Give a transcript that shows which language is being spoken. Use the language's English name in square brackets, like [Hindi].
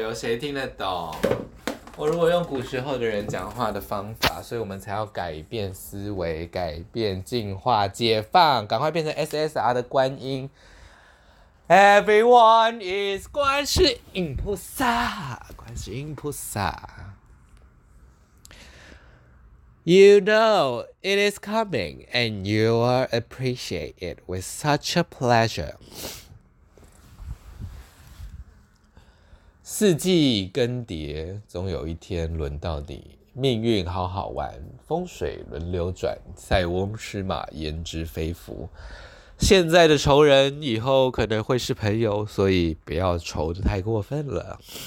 [Chinese] 有谁听得懂？我如果用古时候的人讲话的方法，所以我们才要改变思维、改变进化、解放，赶快变成 SSR 的观音。 [English] Everyone is 观世音菩萨，观世音菩萨。 You know it is coming, and you are appreciate it with such a pleasure. [Chinese] 四季更迭，总有一天轮到你。命运好好玩，风水轮流转，塞翁失马，焉知非福。现在的仇人，以后可能会是朋友，所以不要愁得太过分了。